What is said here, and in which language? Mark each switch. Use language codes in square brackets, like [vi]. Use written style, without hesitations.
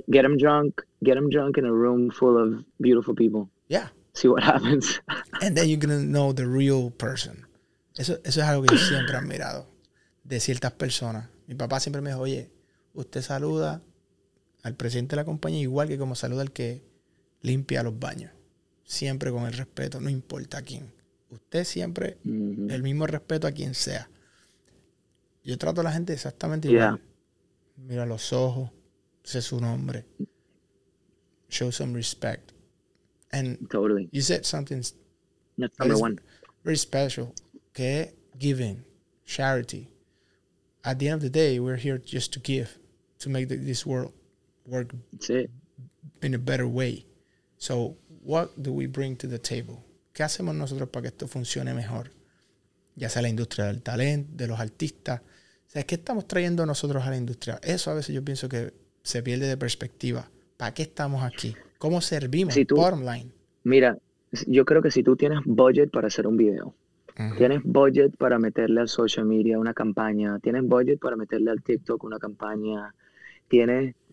[en] Get them drunk in a room full of beautiful people. Yeah. See what happens. And then you're going to know the real person. [es] Eso es algo que yo siempre he admirado de ciertas personas. Mi papá siempre me dijo, oye, usted saluda al presidente de la compañía igual que como saluda al que limpia los baños. Siempre con el respeto, no importa a quién. Usted siempre, el mismo respeto a quien sea. Yo trato a la gente exactamente igual. Mira los ojos, sé su nombre. [en] Show some respect. And totally. You said something. That's number one. Very special. Que giving, charity. At the end of the day, we're here just to give, to make this world work in a better way. So, what do we bring to the table? [es] ¿Qué hacemos nosotros para que esto funcione mejor? Ya sea la industria del talento, de los artistas. O sea, ¿qué estamos trayendo nosotros a la industria? Eso a veces yo pienso que se pierde de perspectiva. ¿Para qué estamos aquí? ¿Cómo servimos? Si tú, [en] bottom line. [es] Mira, yo creo que si tú tienes budget para hacer un video, tienes budget para meterle al social media una campaña, tienes budget para meterle al TikTok una campaña, tienes...